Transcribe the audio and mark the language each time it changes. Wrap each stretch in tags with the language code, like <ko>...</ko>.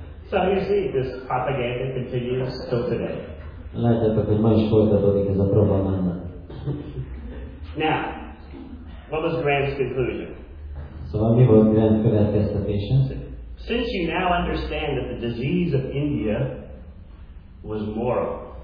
<en>So you see, this propaganda continues till today.</en> <hu>Látjátok, hogy ma is folytatódik ez a propaganda.</hu> <en>Now, what was Grant's conclusion?</en> <hu>Szóval mi volt Grant következtetése?</hu> <en>Since you now understand that the disease of India was moral.</en>